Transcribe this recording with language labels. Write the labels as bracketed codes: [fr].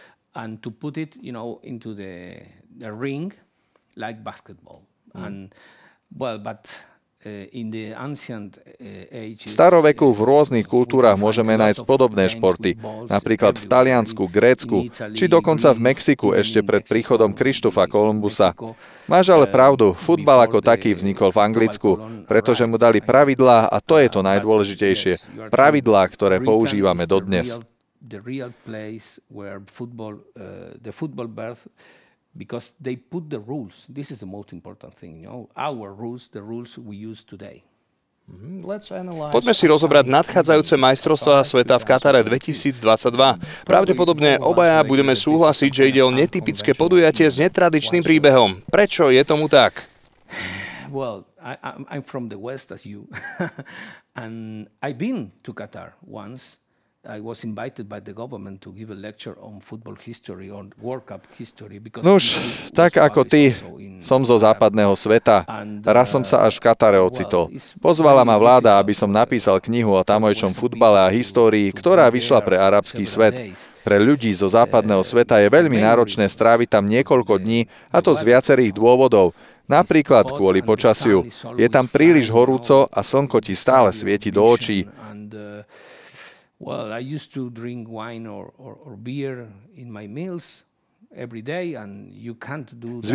[en] And to put it, you know, into the ring, like basketball. And well, but in the ancient ages, [sk] v staroveku v rôznych kultúrach môžeme nájsť podobné športy, napríklad v Taliansku, Grécku, či dokonca v Mexiku ešte pred príchodom Krištofa Kolumbusa. Máš ale pravdu, futbal ako taký vznikol v Anglicku, pretože mu dali pravidlá a to je to najdôležitejšie, pravidlá, ktoré používame dodnes. [en] The real place where football, the football birth, because they put the rules. This is the most important thing, you know, our rules, the rules we use today. [sk] Poďme si rozobrať nadchádzajúce majstrovstvá sveta v Katare 2022. Pravdepodobne obaja budeme súhlasiť, že ide o netypické podujatie s netradičným príbehom. Prečo je tomu tak? [en] Well, I'm from the West as you, and I've been to Qatar once. I was invited by the government to give a lecture on football history, on World Cup history. [sk] Nuž, tak ako ty, som zo západného sveta. Raz som sa až v Katare ocitol. Pozvala ma vláda, aby som napísal knihu o tamojšom futbale a histórii, ktorá vyšla pre arabský svet. Pre ľudí zo západného sveta je veľmi náročné stráviť tam niekoľko dní, a to z viacerých dôvodov. Napríklad kvôli počasiu. Je tam príliš horúco a slnko ti stále svieti do očí. [en] Well, I used to drink wine or beer in my meals every day and you can't do that.